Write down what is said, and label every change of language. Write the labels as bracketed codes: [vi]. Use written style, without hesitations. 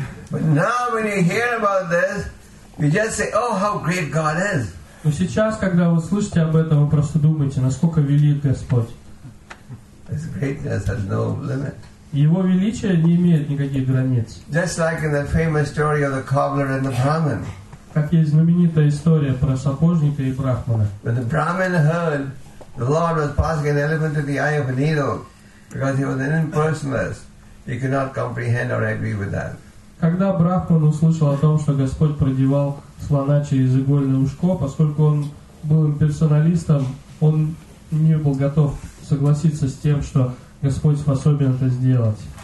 [ru] Но теперь, когда вы слышите об этом, вы просто говорите: «О, как велик Бог!» Но сейчас, когда вы слышите об этом, вы просто думаете, насколько велик Господь. [en] His greatness has no limit. [ru] Его величие не имеет никаких границ. [en] Just like in the famous story of the cobbler and the Brahmin. [ru] Как есть знаменитая история про сапожника и брахмана. [en] When the Brahmin heard the Lord was passing an elephant to the eye of a needle, because he was an impersonalist, he could not comprehend or agree with that. [ru] Когда брахман услышал о том, что Господь продевал слона через игольное ушко, поскольку он был имперсоналистом, он не был готов согласиться с тем, что Господь способен это сделать.